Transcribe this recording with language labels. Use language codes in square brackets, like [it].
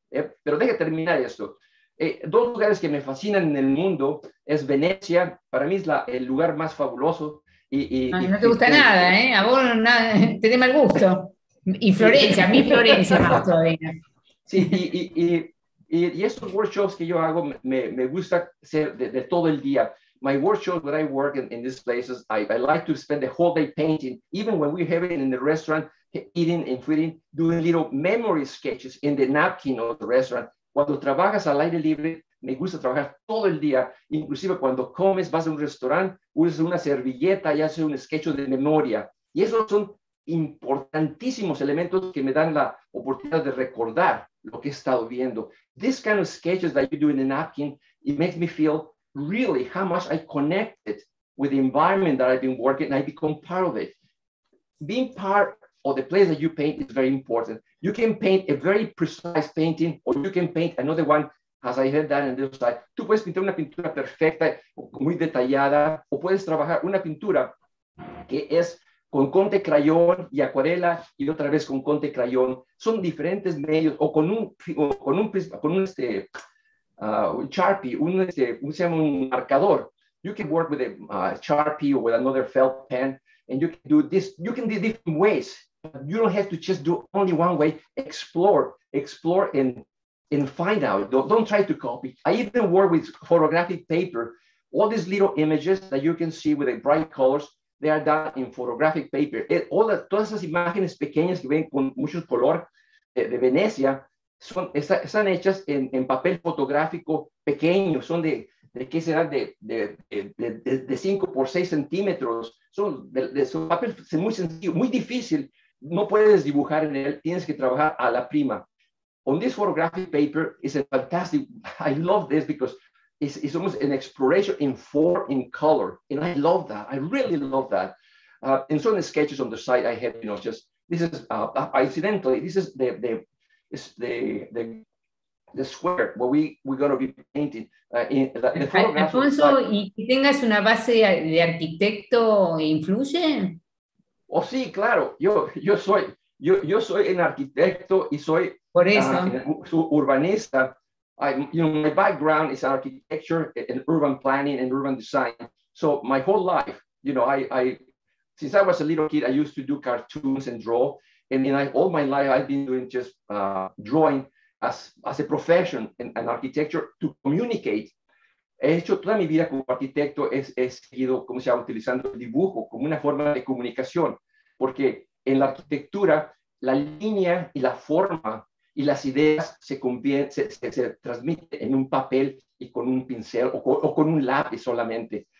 [es] Pero deje terminar esto. Dos lugares que me fascinan en el mundo es Venecia. Para mí es el lugar más fabuloso. A vos nada, tenés mal gusto. Y Florencia, mi Florencia más todavía. Sí, y estos workshops que yo hago me gusta ser de todo el día. [en] My workshops that I work in these places, I like to spend the whole day painting, even when we have it in the restaurant, eating and feeding, doing little memory sketches in the napkin of the restaurant. [es] Cuando trabajas al aire libre, me gusta trabajar todo el día, inclusive cuando comes, vas a un restaurante, usas una servilleta y haces un sketch de memoria. Y esos son importantísimos elementos que me dan la oportunidad de recordar lo que he estado viendo. [en] This kind of sketches that you do in the napkin, it makes me feel really how much I connected with the environment that I've been working and I become part of it. Being part of the place that you paint is very important. You can paint a very precise painting or you can paint another one, as I have done on this side. [es] Tú puedes pintar una pintura perfecta, muy detallada, o puedes trabajar una pintura que es con Conte crayón y acuarela y otra vez con Conte crayón. Son diferentes medios o con un marcador. [en] You can work with a Sharpie or with another felt pen, and you can do this. You can do different ways. You don't have to just do only one way. Explore and and find out. Don't try to copy. I even work with photographic paper. All these little images that you can see with the bright colors, they are done in photographic paper. [es] Todas esas imágenes pequeñas que ven con mucho color de Venecia están hechas en papel fotográfico pequeño. Son de qué será de 5 por 6 centímetros. Son papel muy sencillo, muy difícil. No puedes dibujar en él. Tienes que trabajar a la prima. [en] On this photographic paper is a fantastic. I love this because it's almost an exploration in form, in color. And I love that. I really love that. And some sketches on the side, I have, you know, just this is incidentally, this is the square where we're going to be painting. [es] Alfonso, y tengas una base de arquitecto, ¿influye? Oh, sí, claro. Yo soy un arquitecto y soy por eso. Urbanista. [en] My background is architecture and urban planning and urban design. So my whole life, you know, I since I was a little kid, I used to do cartoons and draw. And then all my life, I've been doing just drawing as a profession and architecture to communicate. [es] He hecho toda mi vida como arquitecto, he seguido, como se llama, utilizando el dibujo como una forma de comunicación. Porque en la arquitectura, la línea y la forma y las ideas se transmiten en un papel y con un pincel o con un lápiz solamente.